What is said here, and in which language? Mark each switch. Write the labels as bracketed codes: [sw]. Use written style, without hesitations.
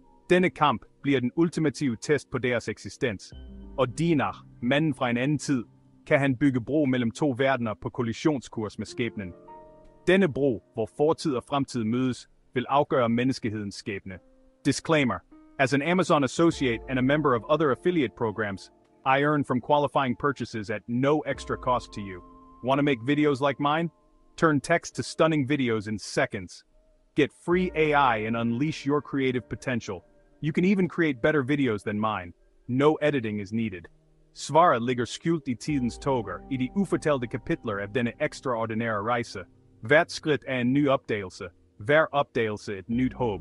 [da] Denne kamp bliver den ultimative test på deres eksistens. Og Dinah, manden fra en anden tid, kan han bygge bro mellem to verdener på kollisionskurs med skæbnen. Denne bro, hvor fortid og fremtid mødes, vil afgøre menneskehedens skæbne. [en] Disclaimer. As an Amazon associate and a member of other affiliate programs, I earn from qualifying purchases at no extra cost to you. Want to make videos like mine? Turn text to stunning videos in seconds. Get free AI and unleash your creative potential. You can even create better videos than mine. No editing is needed. [da] Svaret ligger skjult i tidens toger, i de ufortalte kapitler af denne ekstraordinære rejse. Hvert skridt er en ny opdagelse. Hver opdagelse et nyt håb.